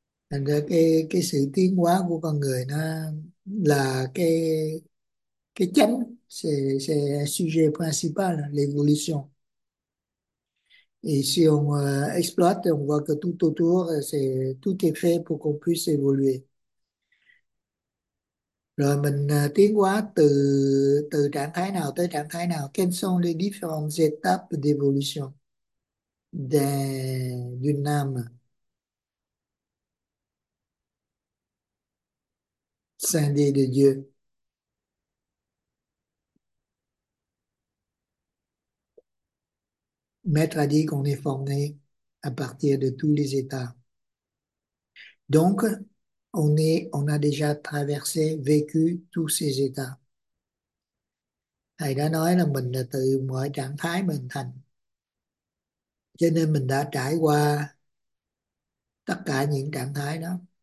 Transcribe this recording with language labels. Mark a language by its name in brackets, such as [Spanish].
[Vietnamese] Thành ra cái sự tiến hóa của con người nó là cái chánh, [French] c'est sujet principal, l'évolution. Et si on exploite, on voit que tout autour, tout est fait pour qu'on puisse évoluer. [Vietnamese] Rồi mình tiến hóa từ từ trạng thái nào tới trạng thái nào? [French] Quelles sont les différentes étapes d'évolution d'une âme? Scindé de Dieu. Maître a dit qu'on est formé à partir de tous les états. Donc, on a déjà traversé, vécu tous ces états. [Vietnamese] Thầy đã nói là mình là từ mọi trạng thái mình thành. Cho nên mình đã trải qua tất cả những trạng thái đó.